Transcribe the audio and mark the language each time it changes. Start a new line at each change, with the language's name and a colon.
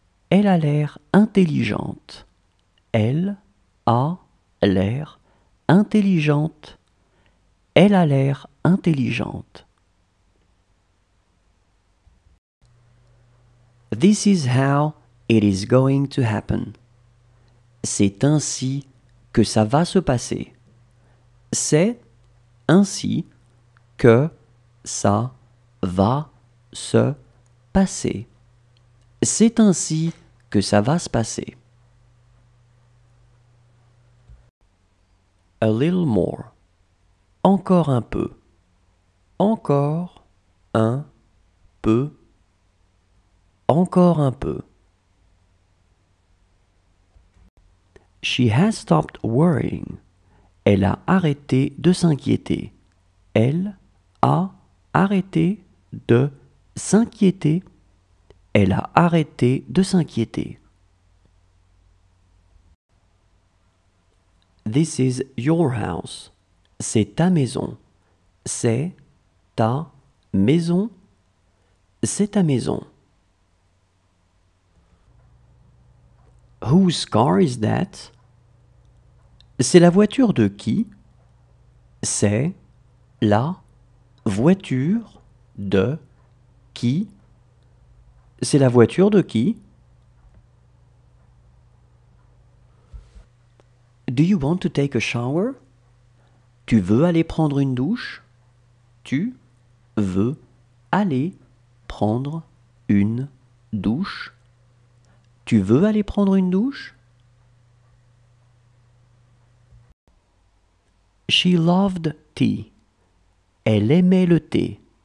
French: Elle a l'air intelligente. Elle a l'air intelligente. Elle a l'air intelligente.
English: This is how it is going to happen.
French: C'est ainsi que ça va se passer. C'est ainsi que ça va se passer. C'est ainsi que ça va se passer.
English: A little more.
French: Encore un peu. Encore un peu. Encore un peu.
English: She has stopped worrying.
French: Elle a arrêté de s'inquiéter. Elle a arrêté de s'inquiéter. Elle a arrêté de s'inquiéter.
English: This is your house.
French: C'est ta maison. C'est ta maison. C'est ta maison.
English: Whose car is that?
French: C'est la voiture de qui? C'est la voiture de qui? C'est la voiture de qui?
English: Do you want to take a shower?
French: Tu veux aller prendre une douche? Tu veux aller prendre une douche? Tu veux aller prendre une douche?
English: She loved tea.
French: Elle aimait le thé.